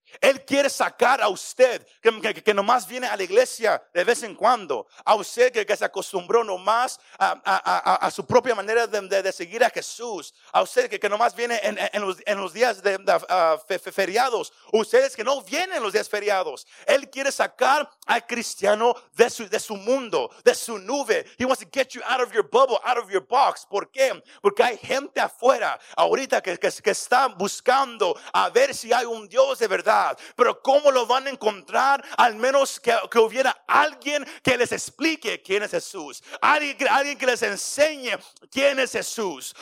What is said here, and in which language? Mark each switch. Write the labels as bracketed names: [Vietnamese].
[Spanish] Él quiere sacar a usted que nomás viene a la iglesia de vez en cuando, a usted que se acostumbró nomás a su propia manera de seguir a Jesús, a usted que nomás viene en los días de feriados, ustedes que no vienen los días feriados. Él quiere sacar al cristiano de su mundo, de su nube. [English] He wants to get you out of your bubble, out of your box. [Spanish] ¿Por qué? Porque hay gente afuera ahorita que está buscando a ver si hay un Dios de verdad. Pero ¿cómo lo van a encontrar? Al menos que hubiera alguien que les explique quién es Jesús. Alguien que les enseñe quién es Jesús.